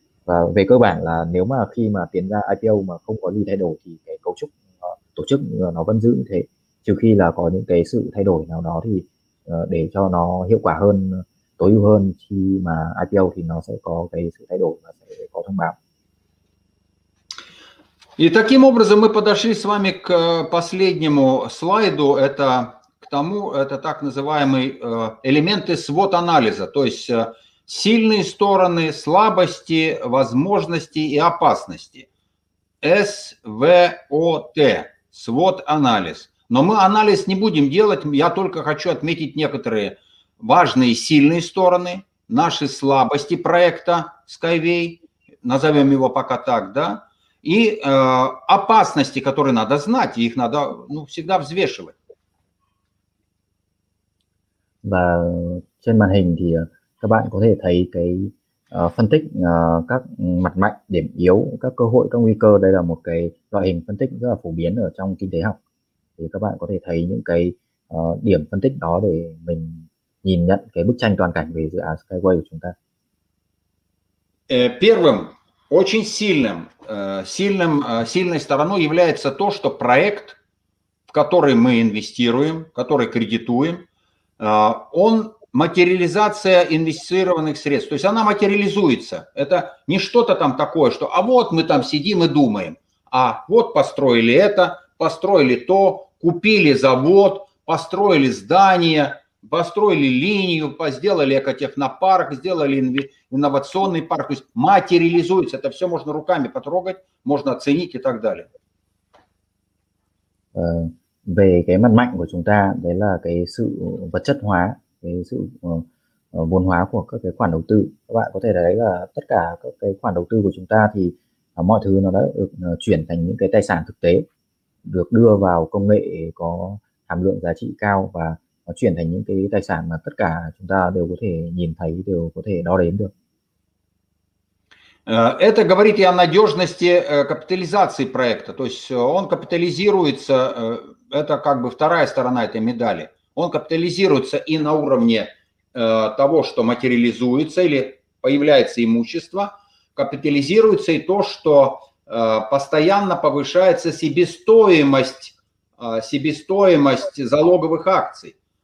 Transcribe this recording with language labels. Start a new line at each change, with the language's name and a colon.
Vietnamese: Và về cơ bản là nếu mà khi mà tiến ra IPO mà không có gì thay đổi thì cái cấu trúc tổ chức nó vẫn giữ như thế, trừ khi là có những cái sự thay đổi nào đó thì để cho nó hiệu quả hơn, tối ưu hơn khi mà IPO thì nó sẽ có cái sự thay đổi và sẽ có thông báo.
Russian: И таким образом мы подошли с вами к последнему слайду, это к тому, это так называемые элементы SWOT-анализа, то есть сильные стороны, слабости, возможности и опасности. SWOT, SWOT-анализ. Но мы анализ не будем делать, я только хочу отметить некоторые важные сильные стороны, наши слабости проекта SkyWay, назовем его пока так, да? И опасности, которые надо знать, их надо всегда взвешивать.
Vietnamese: Và trên màn hình thì các bạn có thể thấy cái phân tích các mặt mạnh, điểm yếu, các cơ hội, các nguy cơ. Đây là một cái loại hình phân tích rất là phổ biến ở trong kinh tế học. Thì các bạn có thể thấy những cái điểm phân tích đó để mình nhìn nhận cái bức tranh toàn cảnh về dự án SkyWay của chúng ta.
Russian: Первым. Очень сильным, сильным, сильной стороной является то, что проект, в который мы инвестируем, который кредитуем, он материализация инвестированных средств. То есть она материализуется. Это не что-то там такое, что а вот мы там сидим и думаем, а вот построили это, построили то, купили завод, построили здание, построили линию, сделали экотехнопарк, сделали инновационный парк, то есть материализуется, это все можно руками потрогать, можно оценить и так далее.
Vietnamese: Về cái mặt mạnh của chúng ta, đấy là cái sự vật chất hóa, cái sự vốn hóa của các cái khoản đầu tư. Các bạn có thể thấy là tất cả các cái khoản đầu tư của chúng ta thì mọi thứ nó đã được chuyển thành những cái tài sản thực tế, được đưa vào công nghệ có hàm lượng giá trị cao và chuyển thành những cái tài sản mà tất cả chúng ta đều có thể nhìn thấy, đều có thể đo đếm được.
Russian: Это говорит и о надежности капитализации проекта. То есть он капитализируется, это как бы вторая сторона этой медали. Он капитализируется и на уровне того, что материализуется или появляется имущество, капитализируется и то, что постоянно повышается себестоимость залоговых акций.